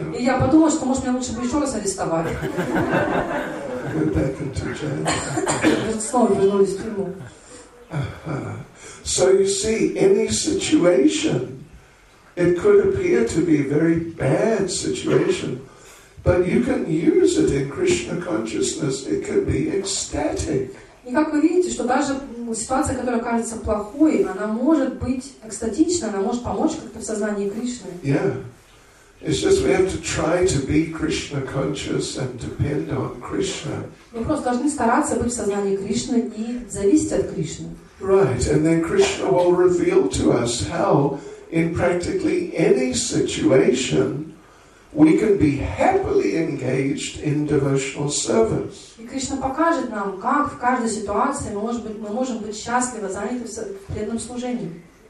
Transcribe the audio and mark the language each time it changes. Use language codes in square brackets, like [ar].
[ru] и я подумал, что может мне лучше бы еще раз арестовали. [en] Go back into jail. [ru] Снова вернулись в тюрьму. [en] So you see, any situation, it could appear to be a very bad situation. But you can use it in Krishna consciousness. It can be ecstatic. [ru] И как вы видите, что даже ситуация, которая кажется плохой, она может быть экстатичной, она может помочь как-то в сознании Кришны. [en] Yeah. It's just we have to try to be Krishna conscious and depend on Krishna. [ru] Мы просто должны стараться быть в сознании Кришны и зависеть от Кришны. [en] Right, and then Krishna will reveal to us how in practically any situation we can be happily engaged in devotional service. [ru] И Кришна покажет нам, как в каждой ситуации мы можем быть счастливо заняты в преданном служении.